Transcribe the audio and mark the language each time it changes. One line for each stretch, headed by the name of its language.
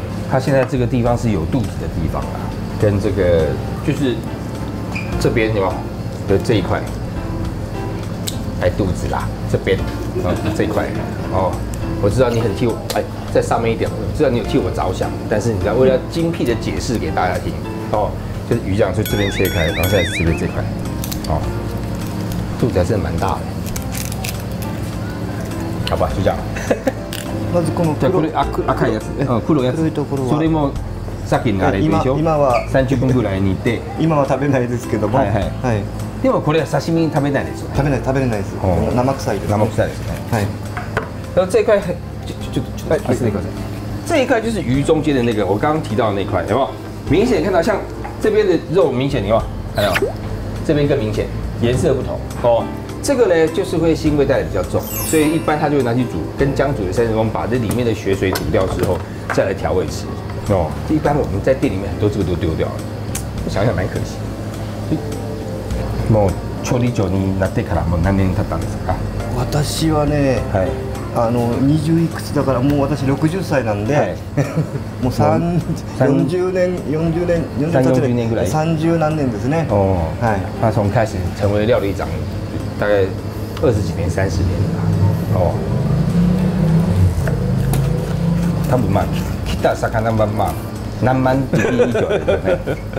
Chinese: 它现在这个地方是有肚子的地方啦，跟这个就是这边有没有的这一块，哎肚子啦，这边，这一块，哦，我知道你很替我，哎，在上面一点，我知道你有替我着想，但是你知道为了精辟的解释给大家听，哦，就是鱼酱就这边切开，然后再吃的这块，哦。肚子还是蛮大的，好吧，就这样。
Japanese: まずこの黒赤いやつ、黒やつ。黒いところは。それも先にあれでしょ。今は 30分ぐらい煮て。今は食べないですけども。はいはい。でもこれは刺身食べないですよ。食べないです。生臭いです。生臭いですね。はい。
Chinese: 然后这块
Japanese: ちょっと、
Chinese: 这一块就是鱼中间的那个，我刚刚提到的那块，有没有？明显看到像这边的肉，明显你看，还有这边更明显。颜色不同哦，这个呢就是会腥味带的比较重，所以一般他就会拿去煮，跟姜煮了30分钟，把这里面的血水煮掉之后，再来调味吃哦。一般我们在店里面很多这个都丢掉了，我想想蛮可惜。
Japanese: もう調理長になってからもう何年経ったんですか。私はね、はい、あの20いくつだからもう私60歳なんで、はい、もう30年ぐらい30何年ですね。おお、はい。
Chinese: 他从开始成为料理长，大概20几年、30年吧。哦。
Japanese: 多分まあ来た魚はまあ何万匹以上ですね。